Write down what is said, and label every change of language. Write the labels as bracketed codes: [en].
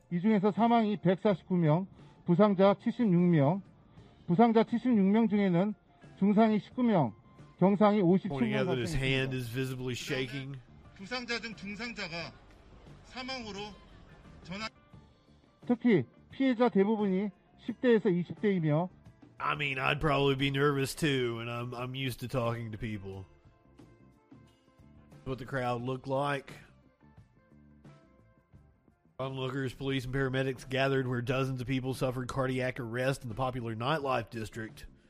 [ko] 이 중에서 사망이 149명, 부상자 76명. 부상자 76명 중에는 중상이 19명. [en] Pointing out that his hand is visibly shaking. [ko] 부상자 중 중상자가 사망으로 전환. 특히 피해자 대부분이 10대에서 20대이며. [en] I mean, I'd probably be nervous too, and I'm used to talking to people. What the crowd looked like. Onlookers, police, and paramedics gathered where dozens of people suffered cardiac arrest in the popular nightlife district.